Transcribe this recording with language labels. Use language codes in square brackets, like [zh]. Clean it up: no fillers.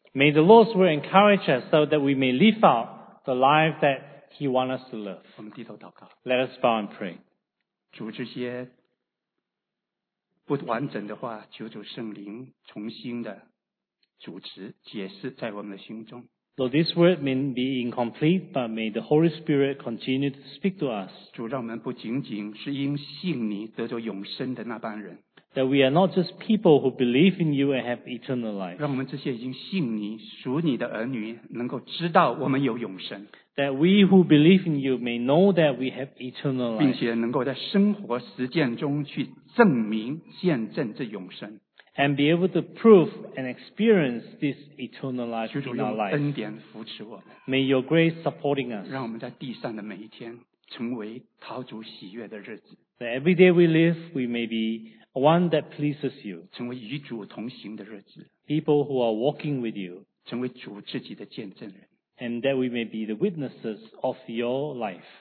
[en] May the Lord's word encourage us so that we may live out the life that he wants us to live. [zh] 我们低头祷告。 [en] Let us bow and pray. [zh] 主这些不完整的话，求主圣灵重新的主持解释在我们的心中。 [en] Though this word may be incomplete, but may the Holy Spirit continue to speak to us. [zh] 主让我们不仅仅是因信你得着永生的那般人。 [en] That we are not just people who believe in you and have eternal life. [zh] 让我们这些已经信你、属你的儿女能够知道我们有永生。 [en] That we who believe in you may know that we have eternal life. [zh] 并且能够在生活实践中去证明、见证这永生。 [en] And be able to prove and experience this eternal life in our life. [zh] 求主用恩典扶持我们。 [en] May your grace supporting us. [zh] 让我们在地上的每一天成为讨主喜悦的日子。 [en] That every day we live, we may be one that pleases you. [zh] 成为与主同行的日子。 [en] People who are walking with you. [zh] 成为主自己的见证人。 [en] And that we may be the witnesses of your life.